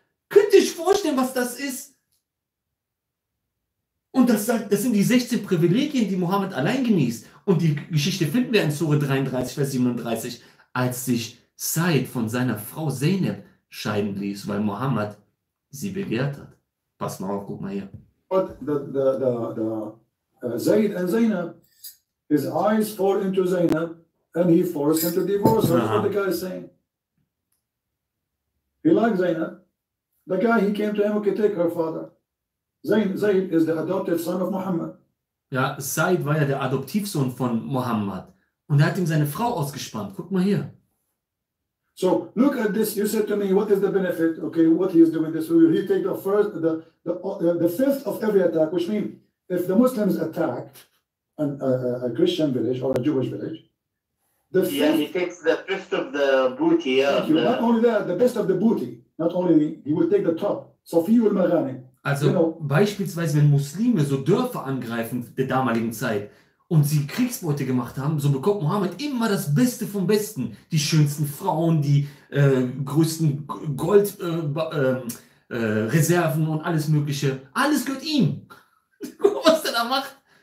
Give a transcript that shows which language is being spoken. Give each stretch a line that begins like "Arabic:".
German: Könnt ihr euch vorstellen, was das ist? Und da das sind die 16 Privilegien, die Mohammed allein genießt. Und die Geschichte finden wir in Sure 33, Vers 37, als sich Said von seiner Frau Zeynep scheiden ließ, weil Mohammed sie begehrt hat. Pass mal auf, guck mal hier.
English: But the Zayd and Zeynep, his eyes fall into Zeynep and he forced him to divorce her. That's what the guy is saying. He likes Zeynep. The guy, he came to him, okay, take her father. Zayd is the adoptive son of Muhammad.
German: Ja, Said war ja der Adoptivsohn von Muhammad. Und er hat ihm seine Frau ausgespannt. Guck mal hier.
English: So, look at this. You said to me, what is the benefit? Okay, what he is doing this. So he take the first, the fifth of every attack, which means if the Muslims attacked a Christian village or a Jewish village, the fifth... Yeah, he takes the fifth of the booty. Thank you. Not only that, the best of the booty. Not only he will take the top.
Arabic: Safiyul Maghani.
German: Also beispielsweise, wenn Muslime so Dörfer angreifen der damaligen Zeit und sie Kriegsbeute gemacht haben, so bekommt Mohammed immer das Beste vom Besten. Die schönsten Frauen, die größten Goldreserven und alles Mögliche. Alles gehört ihm. Guck mal, was der da macht.